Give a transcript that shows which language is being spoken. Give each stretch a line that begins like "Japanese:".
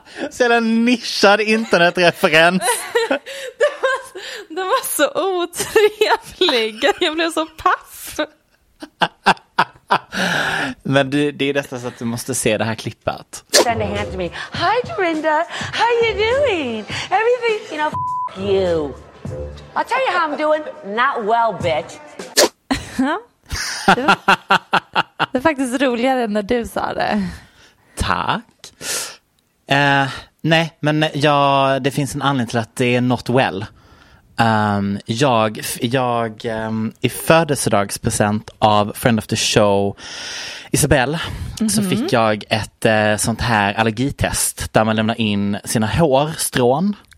Swedish: Så en nischad internetreferens. Det var så otrevlig. Jag blev så paff. Men det är nästan så att du måste se det här klippet.
English: Send a hand to me. Hi Dorinda, how you doing? Everything, you know, f*** you. I'll tell you how I'm doing. Not well, bitch.
Swedish: Det är faktiskt roligare än när du sa det. Tack. Nej, men ja, det finns en anledning till att det är
English: not well.
Swedish: Jag i födelsedagspresent av
English: friend of the show
Swedish: Isabelle, så fick jag ett sånt här allergitest där man lämnar in sina hårstrån.